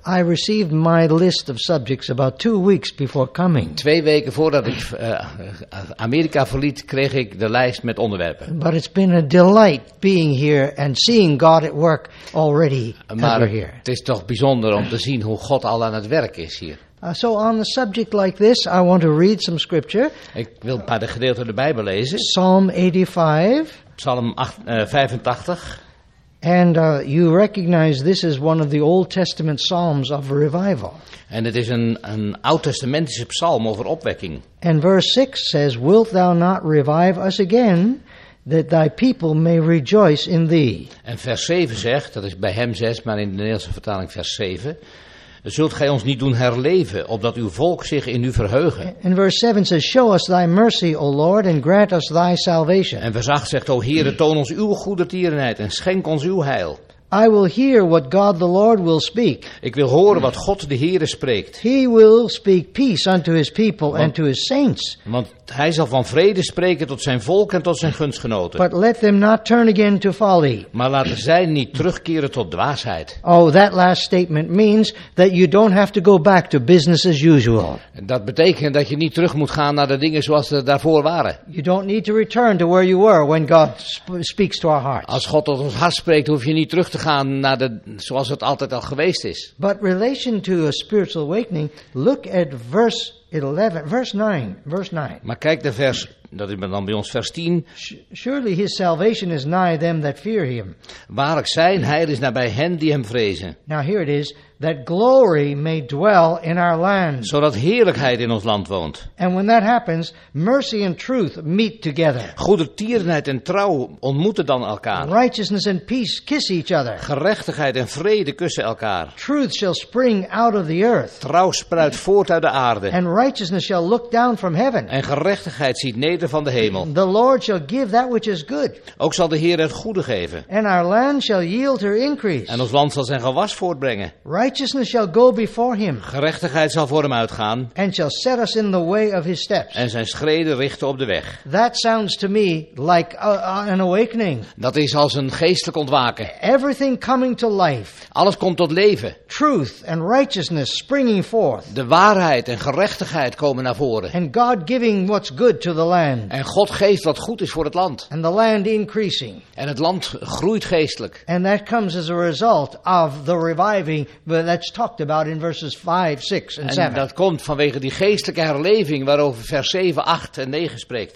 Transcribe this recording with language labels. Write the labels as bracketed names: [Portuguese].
[English] I received my list of subjects about 2 weeks before coming. [Dutch] 2 weken voordat ik Amerika verliet, kreeg ik de lijst met onderwerpen. [English] But it's been a delight being here and seeing God at work already over here. [Dutch] Het is toch bijzonder om te zien hoe God al aan het werk is hier. [English] So on a subject like this, I want to read some scripture. [Dutch] Ik wil een paar de gedeelten de Bijbel lezen. [English] Psalm 85. [Dutch] Psalm 85. [English] And you recognize this is one of the Old Testament psalms of revival. [Dutch] En het is een oud-testamentische psalm over opwekking. [English] And verse 6 says, "Wilt thou not revive us again, that thy people may rejoice in thee?" [Dutch] En vers 7 zegt, dat is bij hem 6, maar in de Nederlandse vertaling vers 7. Zult gij ons niet doen herleven, opdat uw volk zich in u verheugen? [English] And verse 7 says, "Show us thy mercy, O Lord, and grant us thy salvation." [Dutch] En vers 8 zegt, O Heere, toon ons uw goedertierenheid en schenk ons uw heil. [English] I will hear what God the Lord will speak. [Dutch] Ik wil horen wat God de Heere spreekt. [English] He will speak peace unto his people and to his saints. [Dutch] Want hij zal van vrede spreken tot zijn volk en tot zijn gunstgenoten. [English] But let them not turn again to folly. [Dutch] Maar laten zij niet terugkeren tot dwaasheid. [English] Oh, that last statement means that you don't have to go back to business as usual. [Dutch] Dat betekent dat je niet terug moet gaan naar de dingen zoals ze daarvoor waren. [English] You don't need to return to where you were when God speaks to our hearts. [Dutch] Als God tot ons hart spreekt, hoef je niet terug te gaan naar de zoals het altijd al geweest is. [English] But relation to a spiritual awakening, look at verse 11, verse 9. [Dutch] Maar kijk de vers, dat is dan bij ons vers 10. [English] Surely his salvation is nigh them that fear him. [Dutch] Waarlijk zijn heil is nabij hen die hem vrezen. [English] Now here it is, that glory may dwell in our land. [Dutch] Zodat heerlijkheid in ons land woont. [English] And when that happens, mercy and truth meet together. [Dutch] Goedertierenheid en trouw ontmoeten dan elkaar. [English] Righteousness and peace kiss each other. [Dutch] Gerechtigheid en vrede kussen elkaar. [English] Truth shall spring out of the earth. [Dutch] Trouw spruit voort uit de aarde. [English] And righteousness shall look down from heaven. [Dutch] En gerechtigheid ziet neder van de hemel. [English] The Lord shall give that which is good. [Dutch] Ook zal de Heer het goede geven. [English] And our land shall yield her increase. [Dutch] En ons land zal zijn gewas voortbrengen. [English] Righteousness shall go before him. [Dutch] Gerechtigheid zal voor hem uitgaan. [English] And shall set us in the way of his steps. [Dutch] En zijn schreden richten op de weg. [English] That sounds to me like an awakening. [Dutch] Dat is als een geestelijk ontwaken. [English] Everything coming to life. [Dutch] Alles komt tot leven. [English] Truth and righteousness springing forth. [Dutch] De waarheid en gerechtigheid komen naar voren. [English] And God giving what's good to the land. [Dutch] En God geeft wat goed is voor het land. [English] And the land increasing. [Dutch] En het land groeit geestelijk. [English] And that comes as a result of the reviving. But that's talked about in verses 5, 6 and 7. [Dutch] En dat komt vanwege die geestelijke herleving waarover vers 7, 8 en 9 spreekt.